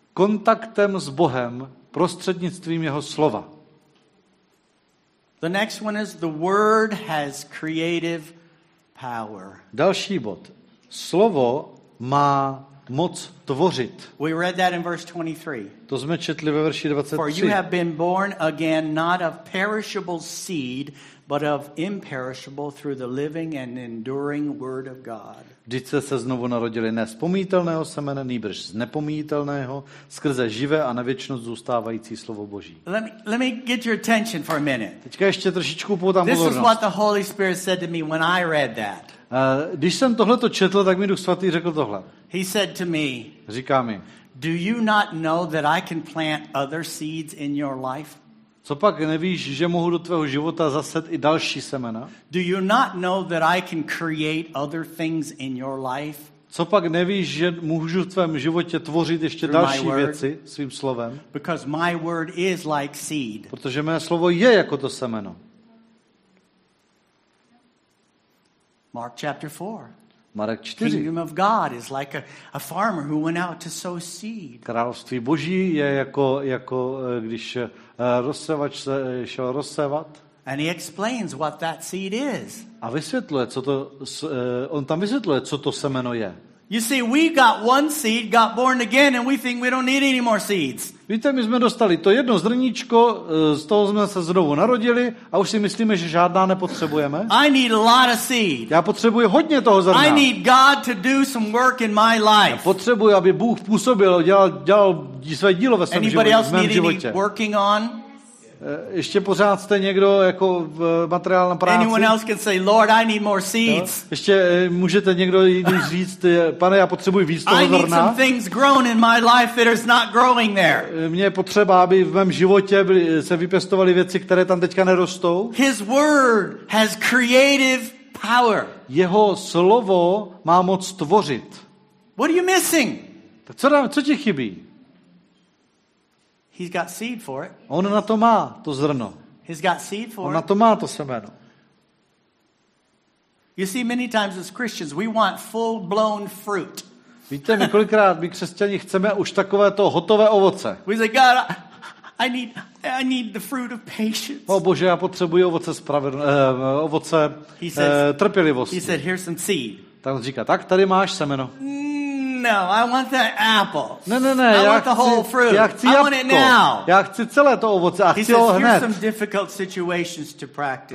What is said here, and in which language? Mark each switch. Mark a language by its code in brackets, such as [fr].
[cs] Kontaktem s Bohem prostřednictvím jeho slova. [en] The next one is the word has creative power. [cs] Další bod. Slovo má moc tvořit. [en] We read that in verse 23. [cs] To jsme četli ve verši 23. [en] For you have been born again not of perishable seed, but of imperishable through the living and enduring word of God. [cs] Vždyť jste se znovu narodili ne z pomíjitelného semene, nýbrž z nepomíjitelného, skrze živé a na věčnost zůstávající slovo Boží. [en] Let me get your attention for a minute. [cs] Teďka ještě trošičku poutám pozornost. [en] This is what the Holy Spirit said to me when I read that. [cs] Když jsem tohleto četl, tak mi Duch Svatý řekl tohle. [en] He said to me, [cs] říká mi, [en] do you not know that I can plant other seeds in your life? [cs] Co pak nevíš, že mohu do tvého života zasít i další semena? [en] Do you not know that I can create other things in your life? [cs] Co pak nevíš, že můžu v tvém životě tvořit ještě další věci svým slovem? [en] Because my word is like seed. [cs] Protože mé slovo je jako to semeno. [en] Mark chapter 4. [cs] Marek 4. [en] Kingdom of God is like a farmer who went out to sow seed. [cs] Království Boží je jako když rozsevač šel rozsevat. [en] And he explains what that seed is. [cs] A vysvětluje, co to on tam vysvětluje, co to semeno je. [en] You see, we got one seed, got born again, and we think we don't need any more seeds. [cs] Víte, my jsme dostali to jedno zrníčko, z toho jsme se znovu narodili a už si myslíme, že žádná nepotřebujeme. [en] I need a lot of seed. [cs] Já potřebuji hodně toho zrna. [en] I need God to do some work in my life. [cs] Já potřebuji, aby Bůh působil, dělal své dílo ve svém životě. [en] Anybody else need any working on? [cs] Ještě pořád jste někdo jako materiál na práci? [en] Anyone else can say, Lord, I need more seeds. [cs] No? Ještě můžete někdo jiný říct, pane, já potřebuji víc toho zrna. [en] I need some things grown in my life that is not growing there. [cs] Mně je potřeba, aby v mém životě se vypěstovaly věci, které tam teďka nerostou. [en] His word has creative power. [cs] Jeho slovo má moc tvořit. [en] What are you missing? [cs] Co ti chybí? [en] He's got seed for it. [cs] On na to má to zrno. [en] He's got seed for [cs] on na to má to semeno. [en] You see, many times as Christians, we want full-blown fruit. [cs] Víte, my kolikrát my křesťani chceme už takové to hotové ovoce. [en] We say, God, I need the fruit of patience. [cs] Oh Bože, já potřebuji ovoce ovoce trpělivosti. [en] He said, here's some seed. [cs] Tak on říká, tak tady máš semeno. [en] No, I want that apple. [cs] Ne. [en] I want the whole fruit. [cs] Já chci jabko. [en] I want it now. [cs] Já chci celé to ovoce a [en] he [cs] chci ho hned. [en] Here's some difficult situations to practice.